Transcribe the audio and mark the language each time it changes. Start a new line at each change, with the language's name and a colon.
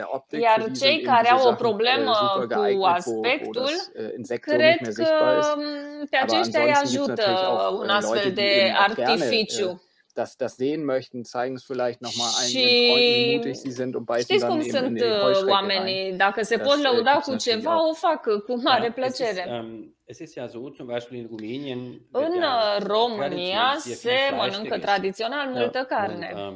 Romanian: Iar cei care au o problemă cu aspectul, cred că pe aceștia îi ajută un astfel de artificiu.
German: Das sehen möchten, zeigen es vielleicht noch mal einigen Freunden, wie mutig sie sind und beißen dann eben in die Heuschrecke.
Romanian: Dacă se pot lăuda cu ceva, o fac cu mare plăcere. În România se mănâncă tradițional multă carne.